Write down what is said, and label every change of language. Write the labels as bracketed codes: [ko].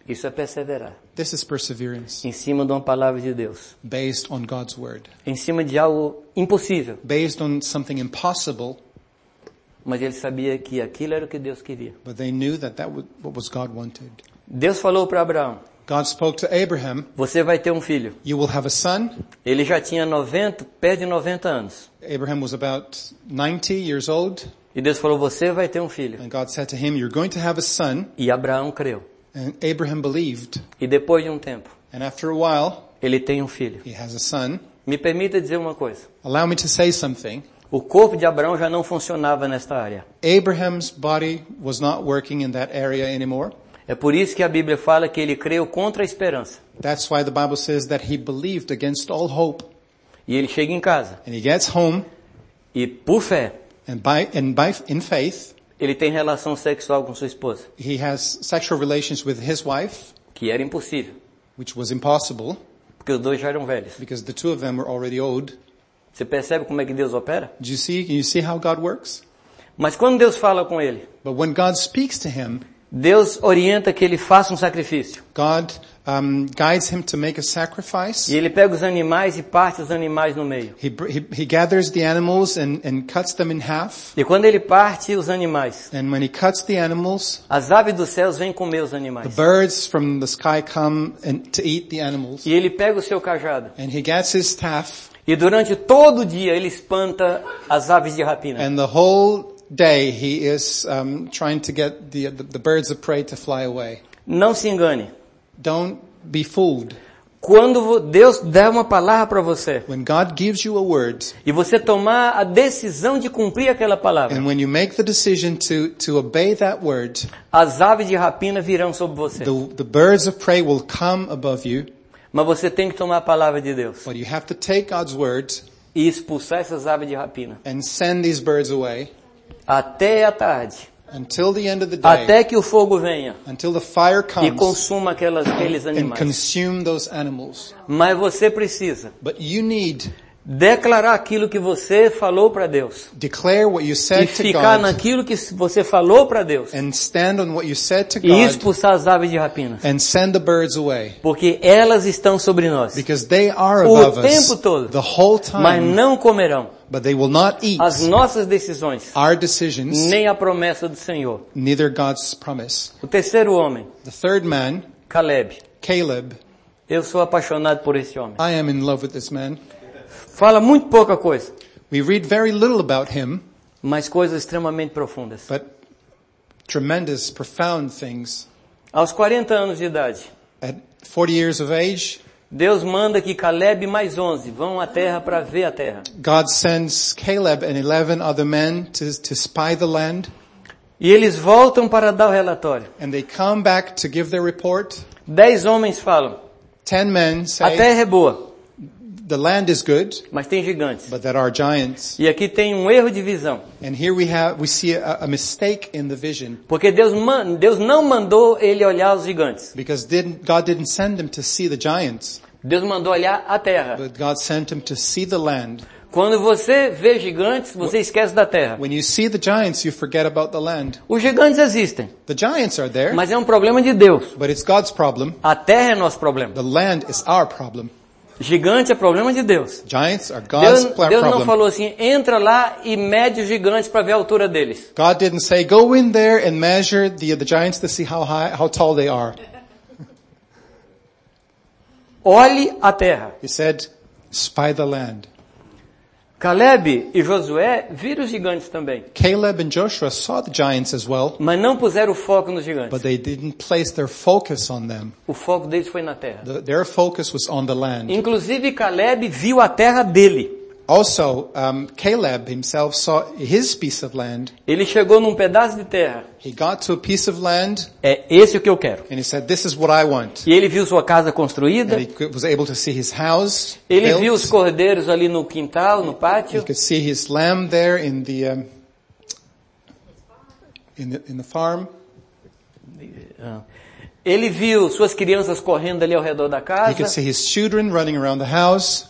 [pt] Isso é perseverar. [en] This is perseverance. [pt] Em cima de uma palavra de Deus. [en] Based on God's word. [pt] Em cima de algo impossível. [en] Based on something impossible. [pt] Mas ele sabia que aquilo era o que Deus queria. [en] But they knew that that was what God wanted. [pt] Deus falou para Abraão. [en] God spoke to Abraham. [pt] Você vai ter um filho. [en] You will have a son. [pt] Ele já tinha 90, perto de 90 anos. [en] Abraham was about 90 years old. [pt] E Deus falou, você vai ter um filho. [en] And God said to him, you're going to have a son. [pt] E Abraão creu. [en] And Abraham believed. [pt] E depois de um tempo. [en] And after a while. [pt] Ele tem um filho. [en] He has a son. [pt] Me permita dizer uma coisa. [en] Allow me to say something. [pt] O corpo de Abraão já não funcionava nesta área. [en] Abraham's body was not working in that area anymore. [pt] É por isso que a Bíblia fala que ele creu contra a esperança. [en] That's why the Bible says that he believed against all hope. [pt] E ele chega em casa. [en] And he gets home. [pt] E por fé. [en] And by in faith. [pt] Ele tem relação sexual com sua esposa. [en] He has sexual relations with his wife. [pt] Que era impossível. [en] Which was impossible. [pt] Porque os dois já eram velhos. [en] Because the two of them were already old. [pt] Você percebe como é que Deus opera? [en] Do you see how God works? [pt] Mas quando Deus fala com ele? [en] But when God speaks to him. [pt] Deus orienta que ele faça um sacrifício. [en] God guides him to make a sacrifice. [pt] E ele pega os animais e parte os animais no meio. [en] He gathers the animals and cuts them in half. [pt] E quando ele parte os animais. [en] And when he cuts the animals. [pt] As aves dos céus vêm comer os animais. [en] The birds from the sky come and to eat the animals. [pt] E ele pega o seu cajado. [en] And he gets his staff. [pt] E durante todo o dia ele espanta as aves de rapina. [en] And the whole day he is trying to get the birds of prey to fly away. [pt] Não se engane. [en] Don't be fooled. [pt] Quando Deus dá uma palavra para você. [en] When God gives you a word. [pt] E você tomar a decisão de cumprir aquela palavra. [en] And when you make the decision to obey that word. [pt] As aves de rapina virão sobre você. [en] The birds of prey will come above you. [pt] Mas você tem que tomar a palavra de Deus. [en] But you have to take God's word. [pt] E expulsar essas aves de rapina. [en] And send these birds away. [pt] Até a tarde. [en] Until the end of the day, [pt] até que o fogo venha. [en] Until the fire comes, [pt] e consuma aqueles animais. [en] And consume those animals. [pt] Mas você precisa. [en] But you need [pt] declarar aquilo que você falou para Deus. [en] Declare what you said to God. [pt] E ficar naquilo que você falou para Deus. [en] And stand on what you said to God. [pt] E expulsar as aves de rapina. [en] And send the birds away. [pt] Porque elas estão sobre nós. [en] Because they are above us. [pt] O tempo todo. [en] The whole time. [pt] Mas não comerão. [en] But they will not eat. [pt] As nossas decisões. [en] Our decisions. [pt] Nem a promessa do Senhor. [en] Neither God's promise. [pt] O terceiro homem. [en] The third man. [pt] Caleb. [en] Caleb. [pt] Eu sou apaixonado por esse homem. [en] I am in love with this man. [pt] Fala muito pouca coisa. [en] We read very little about him. [pt] Mas coisas extremamente profundas. [en] But tremendous, profound things. [pt] Aos 40 anos de idade. [en] At 40 years of age. [pt] Deus manda que Caleb e mais 11 vão à terra para ver a terra. [en] God sends Caleb and 11 other men to spy the land. [pt] E eles voltam para dar o relatório. [en] And they come back to give their report. [pt] 10 homens falam. [en] 10 men say. [pt] A terra é boa. [en] The land is good. [pt] Mas tem gigantes. [en] But there are giants. [pt] E aqui tem um erro de visão. [en] And here we see a mistake in the vision. [pt] Porque Deus não mandou ele olhar os gigantes. [en] Because God didn't send him to see the giants. [pt] Deus mandou olhar a terra. [en] But God sent him to see the land. [pt] Quando você vê gigantes, você esquece da terra. [en] When you see the giants, you forget about the land. [pt] Os gigantes existem. [en] The giants are there. [pt] Mas é um problema de Deus. [en] But it's God's problem. [pt] A terra é nosso problema. [en] The land is our problem. [pt] Gigante é problema de Deus. [en] Giants are God's problem. [pt] Deus não falou assim, entra lá e mede os gigantes para ver a altura deles. [en] God didn't say, go in there and measure the giants to see how tall they are. [pt] Olhe a terra. [en] He said, spy the land. [pt] Caleb e Josué viram os gigantes também. [en] Caleb and Joshua saw the giants as well. [pt] Mas não puseram o foco nos gigantes. [en] But they didn't place their focus on them. [pt] O foco deles foi na terra. [en] Their focus was on the land. [pt] Inclusive Caleb viu a terra dele. [en] Also, Caleb himself saw his piece of land. [pt] Ele chegou num pedaço de terra. [en] He got to a piece of land. [pt] É esse o que eu quero. [en] And he said, "This is what I want." [pt] E ele viu sua casa construída. [en] And he was able to see his house. [pt] Ele [en] built. [pt] Viu os cordeiros ali no quintal, no pátio. [en] He could see his lamb there in the farm. [pt] Ele viu suas crianças correndo ali ao redor da casa. [en] He could see his children running around the house.